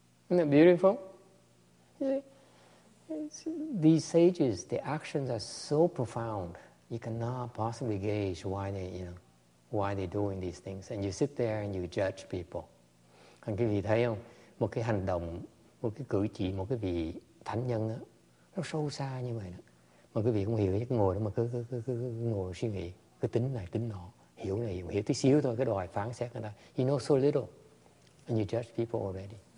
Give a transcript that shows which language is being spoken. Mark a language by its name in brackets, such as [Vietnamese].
[English] Isn't that beautiful? You see, these sages, their actions are so profound, you cannot possibly gauge why they're doing these things. And you sit there and you judge people. [Vietnamese] Anh quý vị thấy không? Một cái hành động, một cái cử chỉ, một cái vị thánh nhân đó, nó sâu xa như vậy đó. Mà quý vị không hiểu, cứ ngồi đó mà cứ ngồi suy nghĩ, cứ tính này, tính nọ, hiểu này, hiểu tí xíu thôi, cái đòi phán xét người ta. [English] You know so little, and you judge people already.